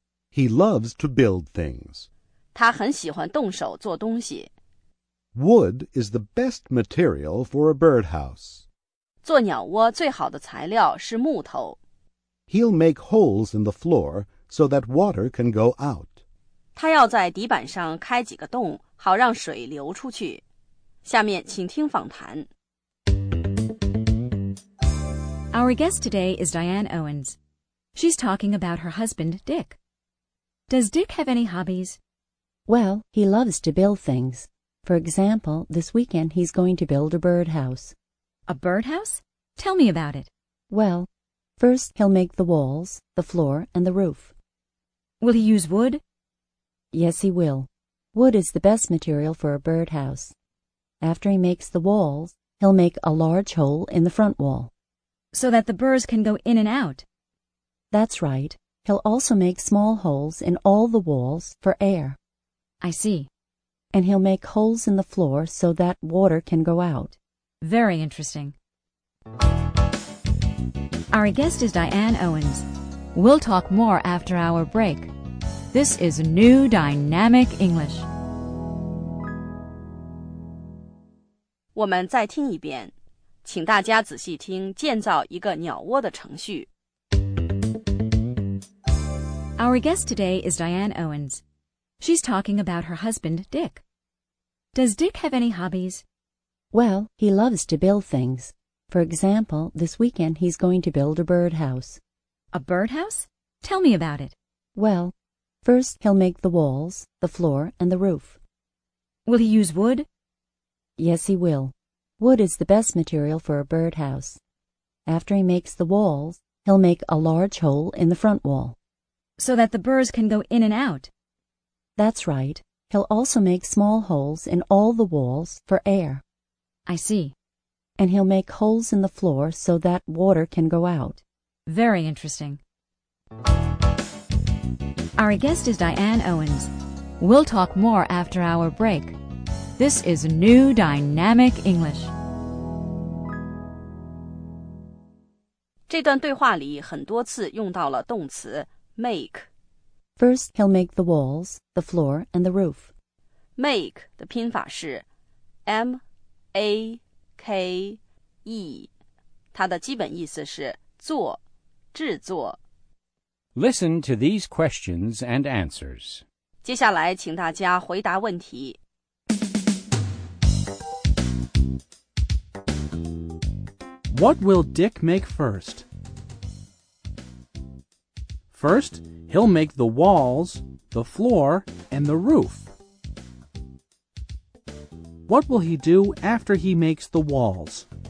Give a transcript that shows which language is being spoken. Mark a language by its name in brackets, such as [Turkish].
[English] He loves to build things. [Chinese] 他很喜欢动手做东西。 [English] Wood is the best material for a birdhouse. [Chinese] 做鸟窝最好的材料是木头。 [English] He'll make holes in the floor so that water can go out. [Chinese] 他要在底板上开几个洞，好让水流出去。下面请听访谈。 [English] Our guest today is Diane Owens. She's talking about her husband, Dick. Does Dick have any hobbies? Well, he loves to build things. For example, this weekend he's going to build a birdhouse. A birdhouse? Tell me about it. Well, first he'll make the walls, the floor, and the roof. Will he use wood? Yes, he will. Wood is the best material for a birdhouse. After he makes the walls, he'll make a large hole in the front wall. So that the birds can go in and out. That's right. He'll also make small holes in all the walls for air. I see. And he'll make holes in the floor so that water can go out. Very interesting. Our guest is Diane Owens. We'll talk more after our break. This is New Dynamic English. [Chinese] 我们再听一遍。请大家仔细听建造一个鸟窝的程序。 [English] Our guest today is Diane Owens. She's talking about her husband, Dick. Does Dick have any hobbies? Well, he loves to build things. For example, this weekend he's going to build a birdhouse. A birdhouse? Tell me about it. Well, first he'll make the walls, the floor, and the roof. Will he use wood? Yes, he will. Wood is the best material for a birdhouse. After he makes the walls, he'll make a large hole in the front wall. So that the birds can go in and out. That's right. He'll also make small holes in all the walls for air. I see. And he'll make holes in the floor so that water can go out. Very interesting. Our guest is Diane Owens. We'll talk more after our break. This is New Dynamic English. [Chinese] 这段对话里很多次用到了动词 make. [English] First, he'll make the walls, the floor, and the roof. [Chinese] Make 的拼法是 M-A-K-E. 它的基本意思是做、制作。 [English] Listen to these questions and answers. [Chinese] 接下来请大家回答问题。 [English] What will Dick make first? First, he'll make the walls, the floor, and the roof. What will he do after he makes the walls?